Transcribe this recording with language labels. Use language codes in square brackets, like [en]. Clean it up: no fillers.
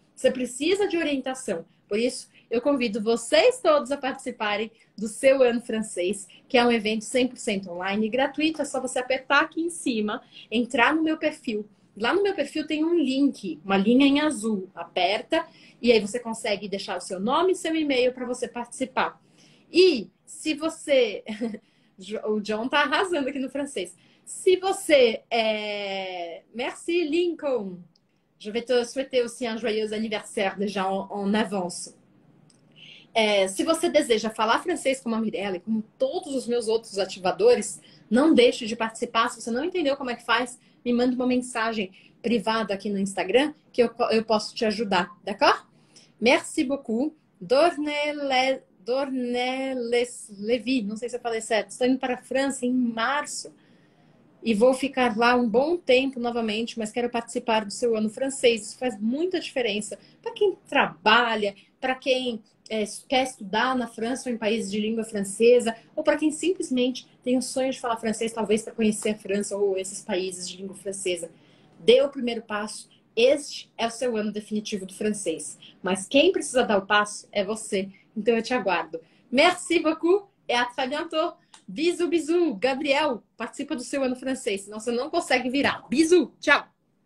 [pt] Você precisa de orientação. Por isso, eu convido vocês todos a participarem do seu Ano Francês, que é um evento 100% online e gratuito. É só você apertar aqui em cima, entrar no meu perfil. Lá no meu perfil tem um link, uma linha em azul. Aperta e aí você consegue deixar o seu nome e seu e-mail para você participar. E se você. O John está arrasando aqui no francês. [fr] Si [pt] você [fr] est... Merci Lincoln. Je vais te souhaiter aussi un joyeux anniversaire déjà en avance. [pt] Se você deseja falar francês como a Mirella e como todos os meus outros ativadores, não deixe de participar. Se você não entendeu como é que faz, me manda uma mensagem privada aqui no Instagram que eu posso te ajudar, [fr] d'accord? Merci beaucoup. [pt] Dornelles Levy, não sei se eu falei certo. Estou indo para a França em março e vou ficar lá um bom tempo novamente, mas quero participar do seu ano francês. Isso faz muita diferença para quem trabalha, para quem quer estudar na França ou em países de língua francesa, ou para quem simplesmente tem o sonho de falar francês, talvez para conhecer a França ou esses países de língua francesa. Dê o primeiro passo. Este é o seu ano definitivo do francês. Mas quem precisa dar o passo é você. Então eu te aguardo. [fr] Merci beaucoup et à très bientôt. Bisous, bisous. [pt] Gabriel, participa do seu ano francês, senão você não consegue virar. Bisous, tchau.